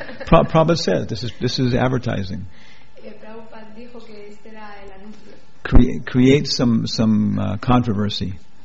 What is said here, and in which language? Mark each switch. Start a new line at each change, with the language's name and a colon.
English: Prabhupada said this is advertising.
Spanish: Prabhupada dijo que este era el anuncio.
English: Create some controversy.